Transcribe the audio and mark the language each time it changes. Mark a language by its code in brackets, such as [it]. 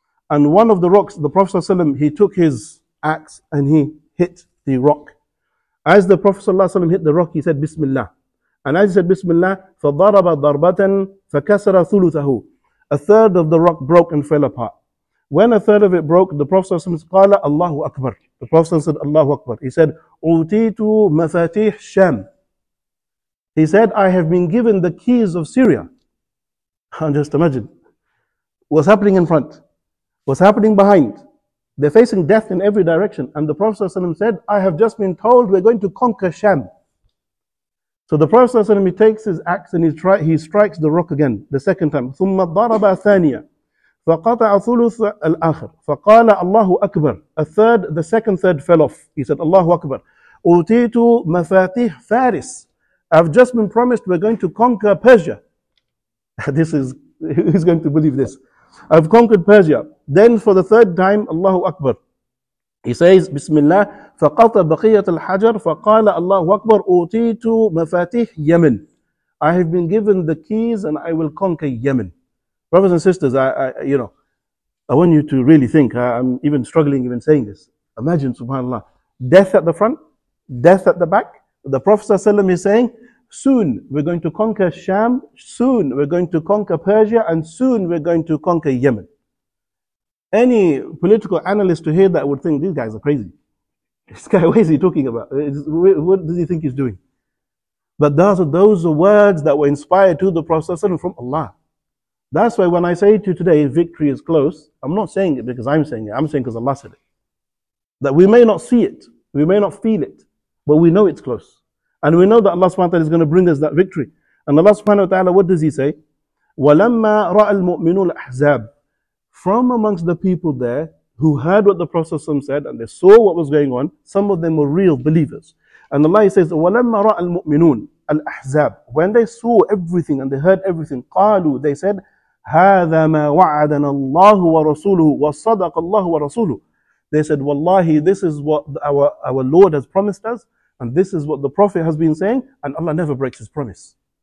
[en] And one of the rocks, the Prophet ﷺ, he took his axe and he hit the rock. As the Prophet ﷺ hit the rock, he said, Bismillah. And as he said, Bismillah, [ar] فَضَرَبَ ضَرْبَةً فَكَسَرَ ثُلُثَهُ. [en] A third of the rock broke and fell apart. When a third of it broke, the Prophet ﷺ said, [ar] قَالَ اللَّهُ أَكْبَرُ. [en] The Prophet ﷺ said, Allahu Akbar. He said, [ar] أُوتِيتُ مَفَاتِيحْ شَامْ. [en] He said, I have been given the keys of Syria. And just imagine, what's happening in front? What's happening behind? They're facing death in every direction. And the Prophet ﷺ said, I have just been told we're going to conquer Sham. So the Prophet ﷺ, he takes his axe and he strikes the rock again, the second time. [ar] ثُمَّ ضَرَبَ ثَانِيَا فَقَطَعَ ثُلُثَ الْآخِرِ فَقَالَ اللَّهُ أَكْبَرُ. [en] A third, the second third fell off. He said, Allahu Akbar. [ar] أُوتِيتُ مَفَاتِيحْ فَارِسِ. [en] I've just been promised we're going to conquer Persia. who's going to believe this? I've conquered Persia. Then for the third time, Allahu Akbar. He says, Bismillah, [ar] فَقَطَ بَقِيَّةَ الْحَجَرِ فَقَالَ اللَّهُ أَكْبَرُ أُوْتِيتُ مَفَاتِيحِ يَمِنْ. [en] I have been given the keys and I will conquer Yemen. Brothers and sisters, I want you to really think, I'm even struggling even saying this. Imagine, subhanAllah, death at the front, death at the back. The Prophet ﷺ is saying, soon we're going to conquer Sham, soon we're going to conquer Persia, and soon we're going to conquer Yemen. Any political analyst to hear that would think, these guys are crazy. This guy, what is he talking about? What does he think he's doing? But those are words that were inspired to the Prophet ﷺ from Allah. That's why when I say to you today, victory is close, I'm not saying it because I'm saying it, I'm saying because Allah said it. That we may not see it, we may not feel it, but we know it's close. And we know that Allah subhanahu wa ta'ala is going to bring us that victory. And Allah subhanahu wa ta'ala, what does he say? [ar] وَلَمَّا رَأَ الْمُؤْمِنُوا الْأَحْزَابِ. [en] From amongst the people there, who heard what the Prophet ﷺ said, and they saw what was going on, some of them were real believers. And Allah says, [ar] وَلَمَّا رَأَ الْمُؤْمِنُونَ الْأَحْزَابِ. [en] When they saw everything and they heard everything, [ar] قَالُوا, [en] they said, [ar] هَذَا مَا وَعَدَنَا اللَّهُ وَرَسُولُهُ وَصَدَقَ اللَّهُ وَرَسُولُهُ. [en] They said, Wallahi, this is what our Lord has promised us, and this is what the Prophet has been saying, and Allah never breaks his promise.